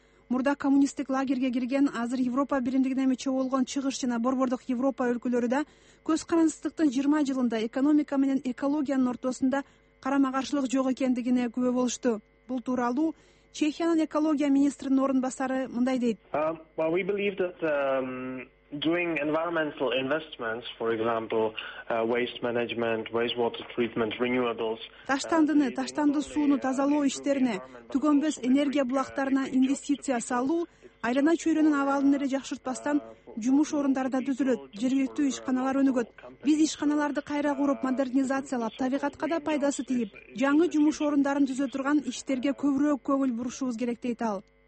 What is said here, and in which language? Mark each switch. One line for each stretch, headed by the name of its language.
Kyrgyz: Мурда коммунисттик лагерге кирген, азыр Европа биримдигине мүчө болгон Чыгыш жана Борбордук Европа өлкөлөрү да көз карандысыздыктын 20 жылында экономика менен экологиянын ортосунда карама каршылык жок экендигине күбө болушту. Бул тууралуу Чехиянын экология министринин орун басары мындай дейт.
English: We believe that Doing environmental investments, for example, waste management, wastewater treatment, renewables.
Kyrgyz: Таштандыны, таштанды сууну тазалоо иштерине, түгөнбөс энергия булактарына инвестиция салуу, айлана чөйрөнүн абалын эле жакшыртпастан жумуш орундарда түзүлөт, жергиликтүү ишканалар өнүгөт. Биз ишканаларды кайра куруп, модернизациялап, табигатка да пайдасы тийип, жаңы жумуш орундарын түзө турган иштерге көбүрөөк көңүл бурушубуз керек дейт ал.